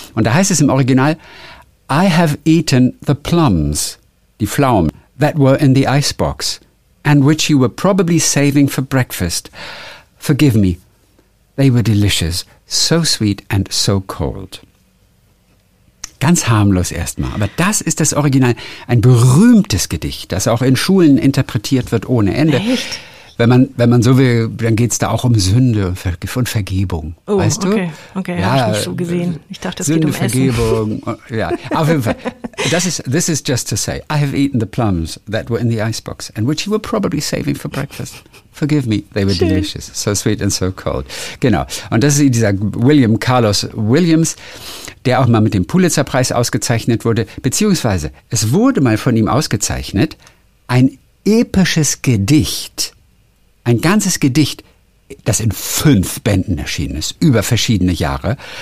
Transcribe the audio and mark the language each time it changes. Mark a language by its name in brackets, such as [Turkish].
[German] Und da heißt es im Original, [English] I have eaten the plums, [German] die Pflaumen, [English] that were in the icebox, and which you were probably saving for breakfast. Forgive me, they were delicious, so sweet and so cold. [German] Ganz harmlos erstmal. Aber das ist das Original, ein berühmtes Gedicht, das auch in Schulen interpretiert wird ohne Ende. Echt? Wenn man so will, dann geht es da auch um Sünde und Vergebung. Oh, weißt du? Okay, ja, habe ich nicht so gesehen. Ich dachte, es Sünde, geht um Vergebung. Essen. Ja, auf jeden Fall. [English] This is just to say, I have eaten the plums that were in the icebox and which you were probably saving for breakfast. Forgive me, they were [German] schön. [English] Delicious, so sweet and so cold. [German] Genau, und das ist dieser William Carlos Williams, der auch mal mit dem Pulitzer-Preis ausgezeichnet wurde, beziehungsweise es wurde mal von ihm ausgezeichnet, ein episches Gedicht, ein ganzes Gedicht, das in 5 Bänden erschienen ist, über verschiedene Jahre.